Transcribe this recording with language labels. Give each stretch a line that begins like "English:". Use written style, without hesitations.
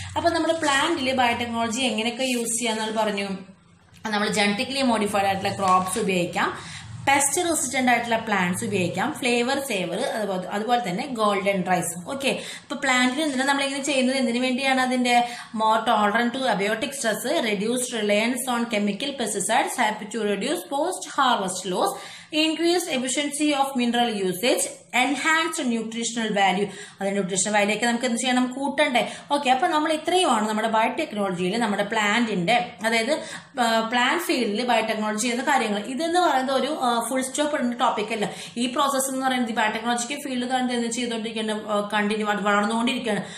Malayalam: അപ്പൊ നമ്മുടെ പ്ലാന്റിൽ ബയോടെക്നോളജി എങ്ങനെയൊക്കെ യൂസ് ചെയ്യാന്ന് പറഞ്ഞു, നമ്മൾ ജനറ്റിക്കലി മോഡിഫൈഡ് ആയിട്ടുള്ള ക്രോപ്സ് ഉപയോഗിക്കാം, പെസ്റ്റ് റെസിസ്റ്റന്റ് ആയിട്ടുള്ള പ്ലാന്റ്സ് ഉപയോഗിക്കാം, ഫ്ലേവർ സേവർ, അതുപോലെ തന്നെ ഗോൾഡൻ റൈസ്. ഓക്കെ, ഇപ്പൊ പ്ലാന്റിൽ എന്തിനാണ് നമ്മളിങ്ങനെ ചെയ്യുന്നത്, എന്തിനു വേണ്ടിയാണ്, അതിന്റെ
English: More tolerant to abiotic stress, reduce reliance on chemical pesticides, help to reduce post harvest loss, increased efficiency of mineral usage, enhanced nutritional value.
Malayalam: അത് ന്യൂട്രീഷണൽ വാല്യൂ ഒക്കെ നമുക്ക് എന്ത് ചെയ്യണം, കൂട്ടണ്ടേ. ഓക്കെ, അപ്പൊ നമ്മൾ ഇത്രയുമാണ് നമ്മുടെ ബയോടെക്നോളജിയിൽ നമ്മുടെ പ്ലാന്റിന്റെ, അതായത് പ്ലാന്റ് ഫീൽഡിൽ ബയോടെക്നോളജി ചെയ്യുന്ന കാര്യങ്ങൾ. ഇതെന്ന് പറയുന്നത് ഒരു ഫുൾ സ്റ്റോപ്പ് ടോപ്പിക് അല്ല. ഈ പ്രോസസ്സ് എന്ന് പറയുന്നത് ബയോടെക്നോളജിക്ക് ഫീൽഡ് എന്ത് ചെയ്തോണ്ടിരിക്കുന്നത്, കണ്ടിന്യൂ ആയിട്ട് വളർന്നുകൊണ്ടിരിക്കുകയാണ്.